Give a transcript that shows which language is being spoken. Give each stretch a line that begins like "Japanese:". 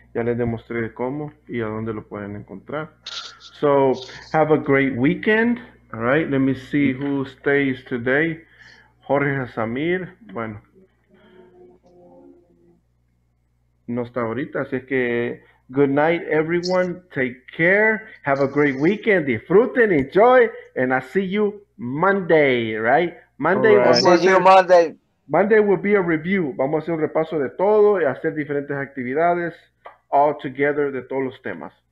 Spanish: Ya les demostré cómo y a dónde lo pueden encontrar.
English: So, have a great weekend. All right, let me see who stays today.
Spanish: Jorge Samir, bueno, no está ahorita, así es que
English: good night, everyone. Take care. Have a great weekend.
Spanish: Disfruten,
English: enjoy, and I'll see you Monday, right? Monday. All right. See you Monday. Monday will be a review.
Spanish: Vamos a hacer un repaso de todo y hacer diferentes actividades
English: all together
Spanish: de todos los temas.